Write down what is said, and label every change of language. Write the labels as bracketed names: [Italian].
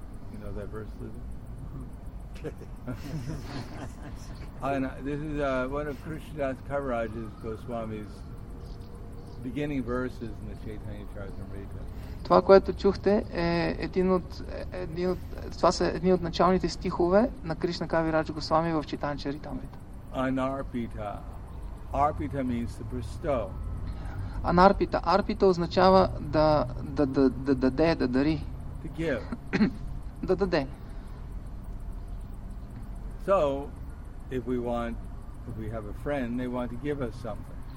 [English] You know that verse, Lizzie? This is one of Krishnadas Kaviraj's Goswami's beginning verses in the Chaitanya Charitamrita. [Bulgarian] Това, което чухте, е един от това са едни от началните стихове на Кришна Кавирадж Госвами в Чайтанья Чаритамрита. [Sanskrit] Анарпита. [English] Арпита means to bestow. [Sanskrit] Анарпита. [Bulgarian] Арпита означава да даде, да дари. [English] To give. [Bulgarian] Да даде. [English] So, if we want, if we have a friend, they want to give us something.